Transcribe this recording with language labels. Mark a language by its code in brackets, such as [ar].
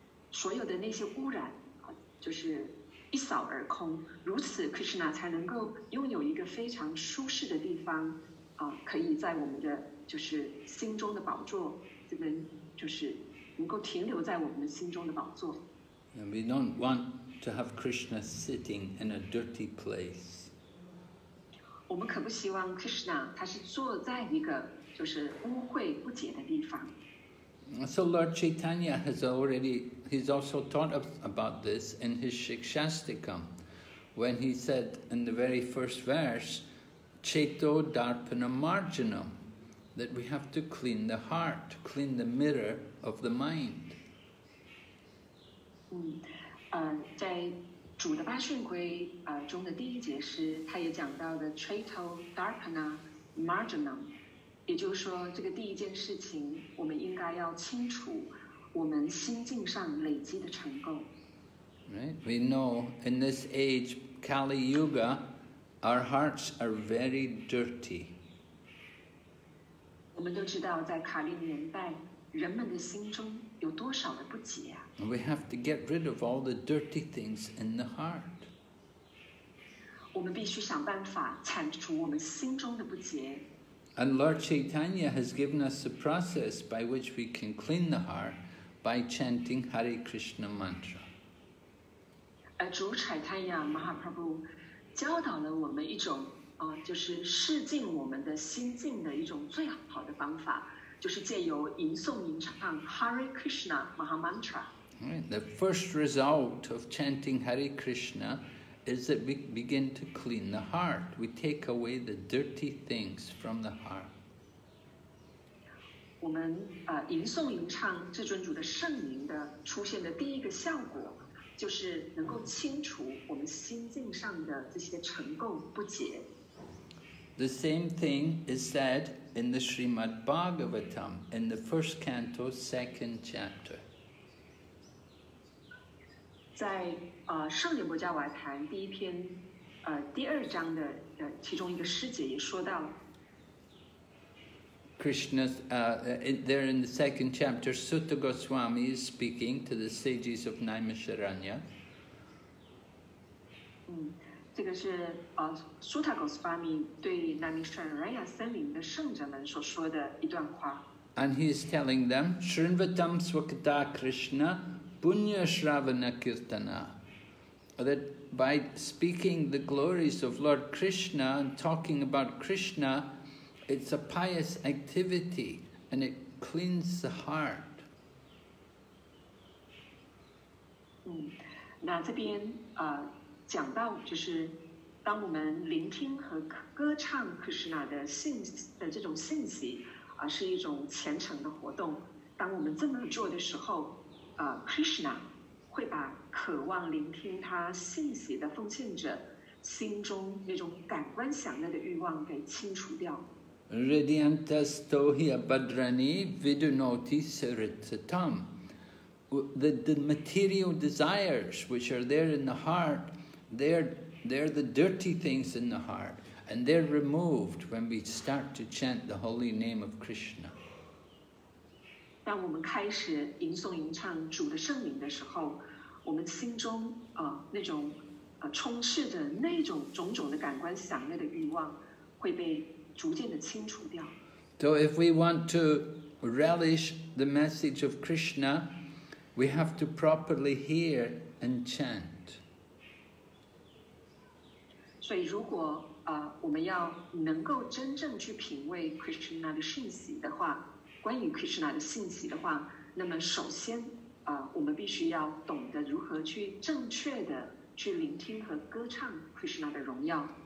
[zh] 所有的那些污染就是一扫而空，如此 Krishna 才能够拥有一个非常舒适的地方可以在我们的就是心中的宝座，这边就是能够停留在我们的心中的宝座。 [en] And we don't want to have Krishna sitting in a dirty place. [zh] 我们可不希望 Krishna 他是坐在一个就是污秽不洁的地方。 [en] So Lord Chaitanya has already, he's also taught about this in his Shikshastikam, when he said in the very first verse, [sa] Cheto Darpanam Marjanam, [en] that we have to clean the heart, clean the mirror of the mind. [zh] 在主的八训规中的第一节是他也讲到的 [sa] Cheto Darpanam Marjanam, [zh] 也就是说这个第一件事情我们应该要清楚我们心境上累积的尘垢。 [en] Right. We know in this age, Kali Yuga, our hearts are very dirty. [zh] 我们都知道在卡利年代人们的心中有多少的不洁啊。 [en] We have to get rid of all the dirty things in the heart. [zh] 我们必须想办法铲除我们心中的不洁。 [en] And Lord Chaitanya has given us the process by which we can clean the heart by chanting Hare Krishna mantra. [zh] 主柴坦亚马哈普布教导了我们一种就是试尽我们的心境的一种最好的方法，就是借由吟诵吟唱 Hare Krishna Maha Mantra。 [en] The first result of chanting Hare Krishna is that we begin to clean the heart. We take away the dirty things from the heart. [zh] 我们吟诵吟唱至尊主的圣名的出现的第一个效果，就是能够清除我们心境上的这些尘垢不洁。 [en] The same thing is said in the Srimad Bhagavatam in the first canto, second chapter. [zh] 在圣严波迦瓦坛第一篇第二章的其中一个师姐也说到 [en] Krishna's there in the second chapter, Sutta Goswami is speaking to the sages of Naimisharanya. [zh] 这个是Sutta Goswami 对 Naimisharanya 森林的圣者们所说的一段话。 [en] And he is telling them, [sa] Shrinvatam Svakata Krishna Punya Shravana Kirtana, [en] that by speaking the glories of Lord Krishna and talking about Krishna, it's a pious activity and it cleans the heart. [zh] 那这边讲到就是当我们聆听和歌唱 Krishna 的这种信息是一种虔诚的活动，当我们这么做的时候Krishna 会把渴望聆听他信息的奉献者心中那种感官享乐的欲望给清除掉。 [sa] Radiantastohi Abhadrani Vidunoti Siritsatam, [en] the material desires which are there in the heartThey're the dirty things in the heart, and they're removed when we start to chant the holy name of Krishna. [zh] 当我们开始吟诵吟唱主的圣名的时候，我们心中那种充斥着那种种种的感官享乐的欲望会被逐渐的清除掉。 [en] So if we want to relish the message of Krishna, we have to properly hear and chant. [zh] 所以如果我们要能够真正去品味 Krishna 的信息的话，关于 Krishna 的信息的话，那么首先我们必须要懂得如何去正确的去聆听和歌唱 Krishna 的荣耀。